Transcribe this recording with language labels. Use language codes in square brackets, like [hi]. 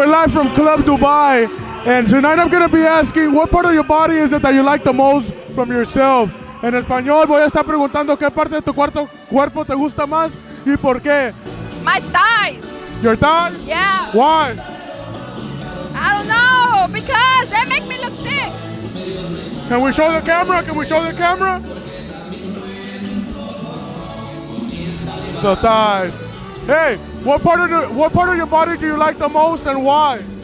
[en] Dubai, and tonight I'm gonna be asking what part of your body is it that you like the most from yourself. [es] En español voy a estar preguntando qué parte de tu cuerpo te gusta más y por qué. [en] My thighs. Your thighs? Yeah. Why? I don't know, because they make me look thick. Can we show the camera? Can we show the camera? The thighs. Hey, what part of your body do you like the most and why?